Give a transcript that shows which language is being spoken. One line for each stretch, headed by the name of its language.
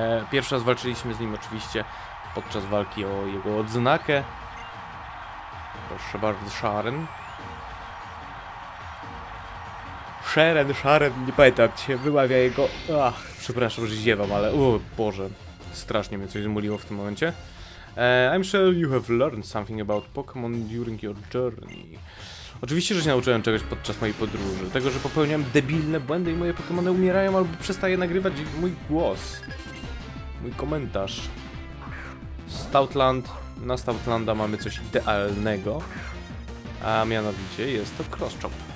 Polish: Pierwszy raz walczyliśmy z nim oczywiście podczas walki o jego odznakę. Proszę bardzo, Sharen. Sharen, nie pamiętam, jak się wyławia jego... Ach, przepraszam, że ziewam, ale... O Boże, strasznie mnie coś zmuliło w tym momencie.
English: I'm sure you have learned something about Pokémon during your journey.
Polish: Oczywiście, że się nauczyłem czegoś podczas mojej podróży. Tego, że popełniam debilne błędy i moje Pokémony umierają albo przestaje nagrywać mój głos. Mój komentarz. Stoutland. Na Stoutlanda mamy coś idealnego. A mianowicie jest to Crosschop.